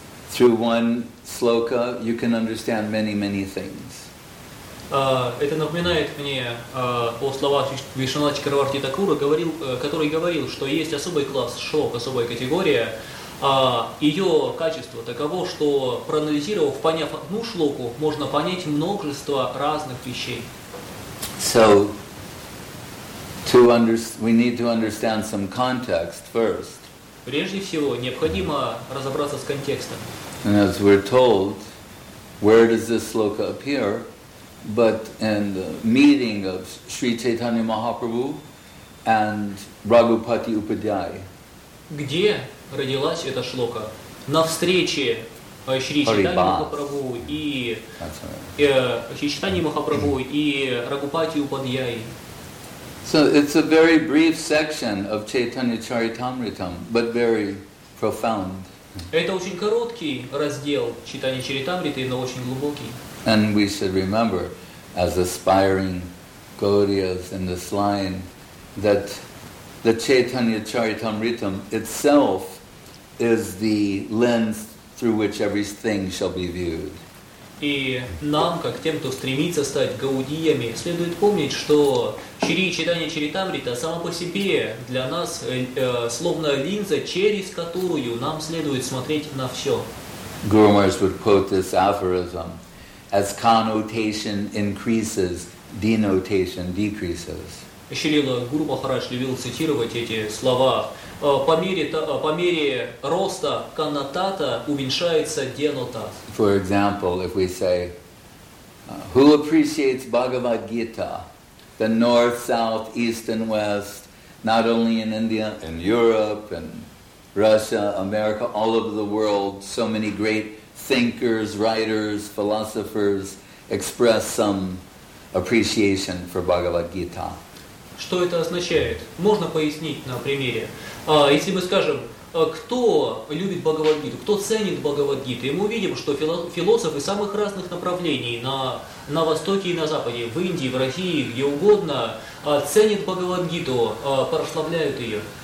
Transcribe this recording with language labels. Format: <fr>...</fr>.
<en>Through one sloka, you can understand many, many things.</en> <ru>Это напоминает мне о словах Вишвана Чакраварти Такура, который говорил, что есть особый класс шлок, особая категория. Ее качество таково, что проанализировав, поняв одну шлоку, можно понять множество разных вещей.</ru> <en>So, we need to understand some context first.</en> <ru>Прежде всего, необходимо разобраться с контекстом.</ru> <en>And as we're told, where does this sloka appear? But in the meeting of Sri Chaitanya Mahaprabhu and Raghupati Upadhyay.</en> <ru>Где родилась эта шлока? На встрече Шри Чайтанья Махапрабху и Шри Чайтанья Махапрабху и Раghupati Upadhyay.</ru> <en>So it's a very brief section of Chaitanya Charitamritam, but very profound.</en> <ru>Это очень короткий раздел Чайтанья Чаритамриты, но очень глубокий.</ru> <en>And we should remember, as aspiring Gaudiyas in this line, that the Chaitanya Charitamritam itself is the lens through which everything shall be viewed.</en> <ru>И нам, как тем, кто стремится стать гаудиями, следует помнить, что Чайтанья Чаритамрита сама по себе для нас словно линза, через которую нам следует смотреть на все.</ru> <en>Guru Maharaj would quote this aphorism. As connotation increases, denotation decreases.</en> <ru>Шрила Гуру Махарадж любил цитировать эти слова. По мере роста коннотата уменьшается денотат.</ru> <en>For example, if we say, who appreciates Bhagavad Gita? The north, south, east and west, not only in India, in Europe, in Russia, America, all over the world, so many great thinkers, writers, philosophers express some appreciation for Bhagavad Gita.</en> <ru>Что это означает? Можно пояснить на примере. Если мы скажем, кто любит Бхагавад-гиту, кто ценит Бхагавад-гиту, и мы увидим, что философы самых разных направлений на Востоке и на Западе, в Индии, в России, где угодно, ценят Бхагавад-гиту, прославляют ее.</ru>